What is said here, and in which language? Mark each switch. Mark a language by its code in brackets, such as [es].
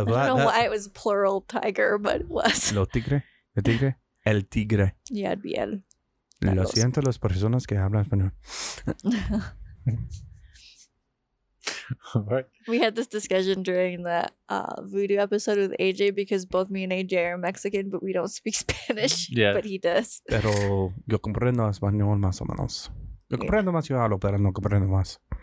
[en] I don't know why it was plural tiger, but it was. [es] Lo tigre, el tigre, el tigre. [en] Yeah, it'd be el. [es] Lo siento, las personas que hablan español. [en] We had this discussion during the voodoo episode with AJ because both me and AJ are Mexican, but we don't speak Spanish. Yeah. But he does. [es] Pero yo comprendo español más o menos. Yo comprendo más, yo hablo, pero no comprendo más.